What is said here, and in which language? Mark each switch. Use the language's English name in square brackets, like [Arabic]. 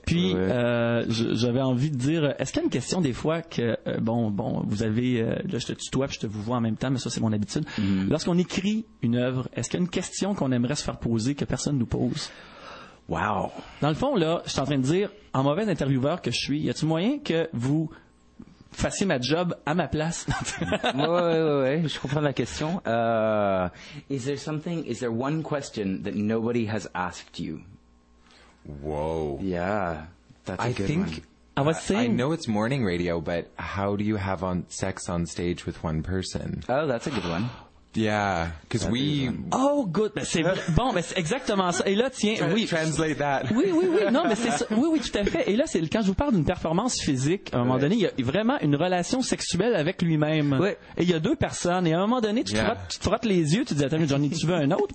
[French] Puis j'avais envie de dire, est-ce qu'il y a une question des fois que vous avez là je te tutoie puis je te vous vois en même temps, mais ça c'est mon habitude. Lorsqu'on écrit une œuvre, est-ce qu'il y a une question qu'on aimerait se faire poser que personne nous pose? Wow. Dans le fond là, je suis en train de dire, en mauvais intervieweur que je suis, y a-t-il moyen que vous fassiez ma job à ma place? Ouais. Je comprends la question. [English] Is there one question that nobody has asked you? Whoa. Yeah. That's a I good think, one. I was saying. I know it's morning radio, but how do you have sex on stage with one person? Oh, that's a good one. Yeah, because we... Oh, good. [French] Mais c'est bon, mais c'est exactement ça. Et là, tiens, oui. [English] Translate that. [French] Oui, oui, oui. Non, mais c'est ça. Oui, oui, tout à fait. Et là, c'est quand je vous parle d'une performance physique, à un moment donné, il y a vraiment une relation sexuelle avec lui-même. Oui. Et il y a deux personnes. Et à un moment donné, tu frottes les yeux, tu dis, attends, Johnny, tu veux un autre?